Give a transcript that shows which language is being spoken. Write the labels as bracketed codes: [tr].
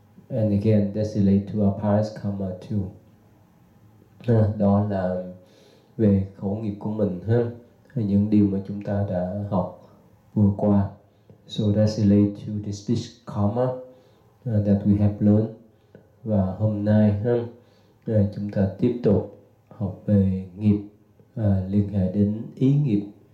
[en] And again, that's related to our past karma too. [vi] Đó là về khẩu nghiệp của mình ha, những điều mà chúng ta đã học vừa qua. [en] So that's related to the speech karma that we have learned. [vi] Và hôm nay ha, chúng ta tiếp tục học về nghiệp, liên hệ đến ý nghiệp.